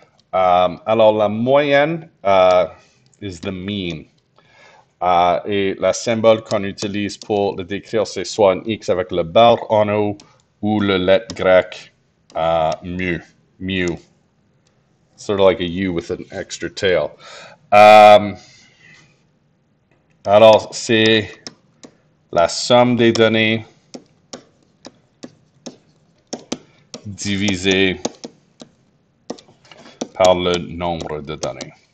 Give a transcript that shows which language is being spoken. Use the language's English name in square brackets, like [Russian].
[French] Alors, la moyenne [English] is the mean. [French] Et la symbole qu'on utilise pour le décrire, c'est soit un X avec le barre en haut ou le lettre grec mu. Mu. [English] Sort of like a U with an extra tail. [French] Alors, c'est la somme des données divisé par le nombre de données.